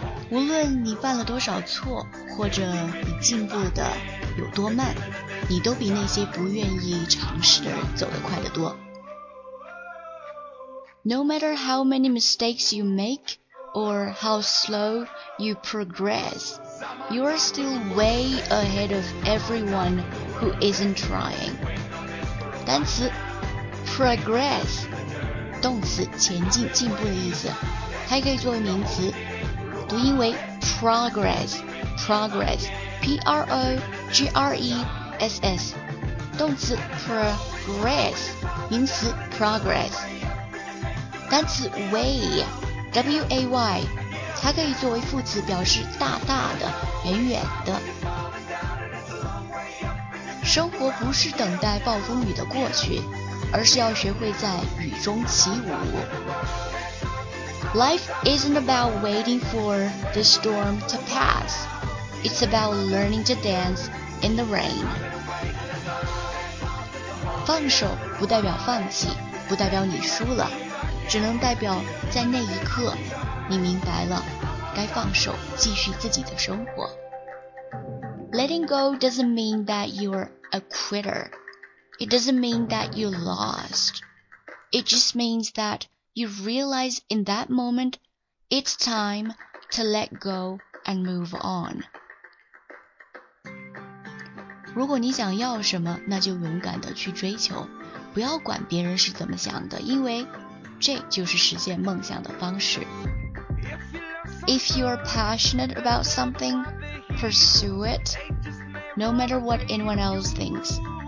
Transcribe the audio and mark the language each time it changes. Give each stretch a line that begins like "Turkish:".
Chinese: 无论你犯了多少错，或者你进步的有多慢，你都比那些不愿意尝试的人走得快得多。
English: No matter how many mistakes you make or how slow you progress, you are still way ahead of everyone who isn't trying.
Chinese: 单词 progress 动词前进进步的意思，还可以作为名词，读音为 progress, P-R-O-G-R-E-S-S, 动词 progress, 名词 progress。单词 way, W-A-Y, 它可以作为副词表示大大的、远远的。生活不是等待暴风雨的过去，而是要学会在雨中起舞。
English: Life isn't about waiting for the storm to pass. It's about learning to dance in the rain.
Chinese: 放手不代表放弃，不代表你输了，只能代表在那一刻你明白了该放手继续自己的生活。
English: Letting go doesn't mean that you're a quitter. It doesn't mean that you lost. It just means thatYou realize in that moment, it's time to let go and move on.
Chinese: 如果你想要什么，那就勇敢地去追求，不要管别人是怎么想的，因为这就是实现梦想的方式。
English: If you are passionate about something, pursue it, no matter what anyone else thinks.